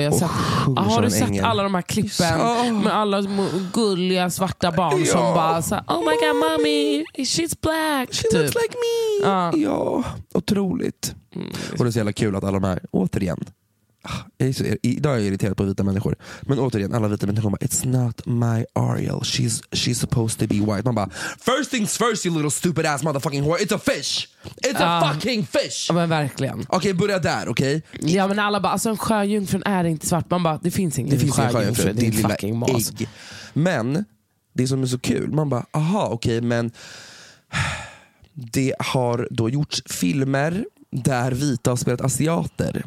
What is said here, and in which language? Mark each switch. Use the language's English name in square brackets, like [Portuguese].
[Swedish] Jag har, har du sett alla de här klippen med alla gulliga svarta barn som bara så här, [English] oh my god mommy, she's black. She looks like me. [Swedish] Ja, otroligt. Och det är så jävla kul att alla de här, återigen, idag är jag irriterad på vita människor, men återigen, alla vita människor bara, [English] it's not my Ariel, she's supposed to be white. [Swedish] Man bara, [English] first things first, you little stupid ass motherfucking whore, it's a fish. It's a fucking fish. [Swedish] Ja men verkligen. Okej, okay, börja där, okej, [English] okay? [Swedish] Ja men alla bara, alltså en sjöjungfrun är inte svart. Man bara, det finns ingen, det finns sjöjungfrun, det är en fucking mas. Men, det som är så kul, man bara, aha, okej, okay, men det har då gjorts filmer där vita har spelat asiater.